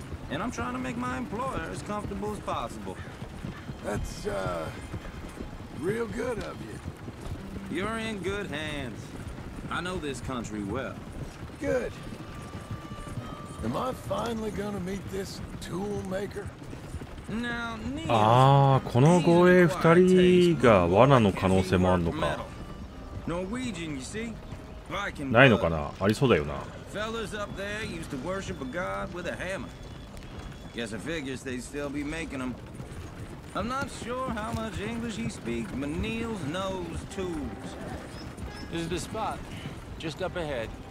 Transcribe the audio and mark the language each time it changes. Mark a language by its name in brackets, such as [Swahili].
[English] And I'm trying to make my employer as comfortable as possible. That's, real good of you. You're in good hands. I know this country well. Good. Am I finally gonna meet this tool maker? Now, [Japanese] この護衛二人が罠の可能性もあるのか。 [English] Norwegian, you see? [Japanese] ないのかな。ありそうだよな。 [English] Fellas up there used to worship a god with a hammer. Guess I figures they'd still be making them. I'm not sure how much English he speaks, but Niels knows tools. This is the spot, just up ahead.